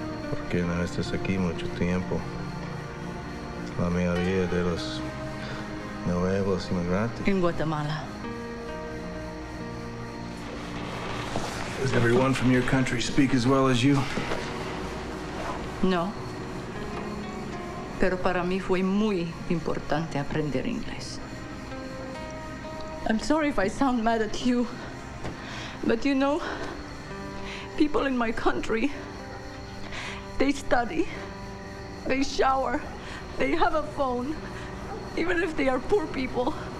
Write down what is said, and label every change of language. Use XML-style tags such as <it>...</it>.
<es>¿Por qué no estás aquí mucho tiempo? La mayoría de los nuevos inmigrantes. En Guatemala.</es> <en>Does everyone from your country speak as well as you?</en> <es>No. Pero para mí fue muy importante aprender inglés.</es> <en>I'm sorry if I sound mad at you, but you know, people in my country, they study, they shower, they have a phone, even if they are poor people.</en>